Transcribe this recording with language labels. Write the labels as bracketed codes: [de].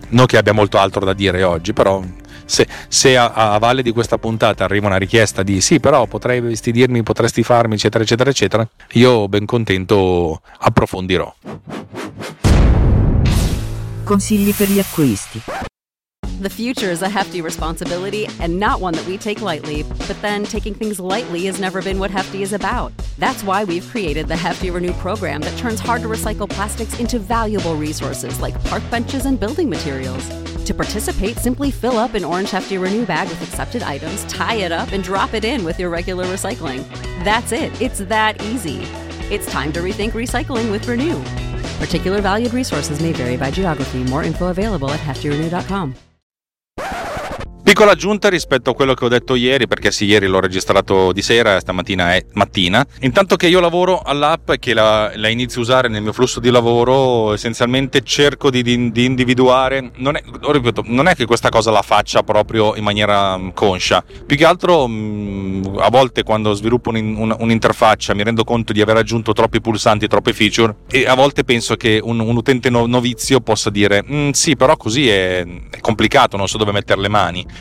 [it] Non che abbia molto altro da dire oggi, però se a valle di questa puntata arriva una richiesta di sì, però potresti farmi eccetera eccetera eccetera, io ben contento approfondirò. Consigli per gli acquisti. [en] The future is a hefty responsibility, and not one that we take lightly, but then taking things lightly has never been what Hefty is about. That's why we've created the Hefty Renew program that turns hard to recycle plastics into valuable resources like park benches and building materials. To participate, simply fill up an orange Hefty Renew bag with accepted items, tie it up, and drop it in with your regular recycling. That's it. It's that easy. It's time to rethink recycling with Renew. Particular valued resources may vary by geography. More info available at heftyrenew.com. [it] Piccola aggiunta rispetto a quello che ho detto ieri, perché sì, ieri l'ho registrato di sera, stamattina è mattina. Intanto che io lavoro all'app e che la inizio a usare nel mio flusso di lavoro, essenzialmente cerco di individuare, non è che questa cosa la faccia proprio in maniera conscia, più che altro a volte quando sviluppo un'interfaccia mi rendo conto di aver aggiunto troppi pulsanti, troppe feature, e a volte penso che un utente novizio possa dire sì, però così è complicato, non so dove mettere le mani.